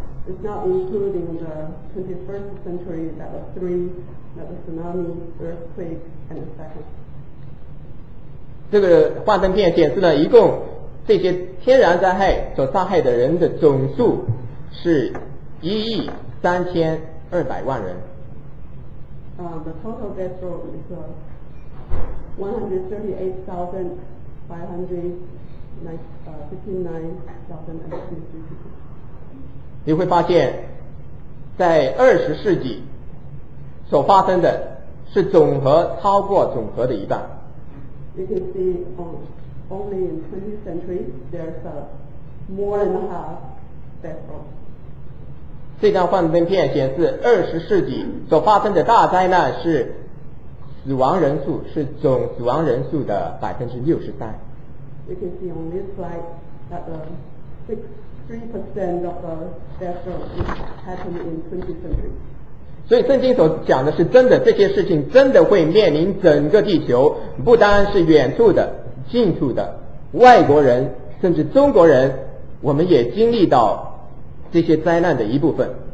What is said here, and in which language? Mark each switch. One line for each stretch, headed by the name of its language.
English: It's not including the 21st century level 3, the tsunami, earthquake, and the second.
Chinese: 这个画灯片显示了一共这些天然灾害所杀害的人的总数是1,320,000人。
English: The total death toll is 138,559,000.
Chinese: 你会发现在20世纪所发生的是总和超过总和的一半。
English: You can see only in 20th century there's a more than half death toll.
Chinese: 这张幻灯片显示20世纪所发生的大灾难是死亡人数是总死亡人数的 63%。
English: You can see on this slide that the 63% of the death rate happened in 20th century.
Chinese: 所以圣经所讲的是真的，这些事情真的会面临整个地球，不单是远处的近处的外国人甚至中国人，我们也经历到这些灾难的一部分。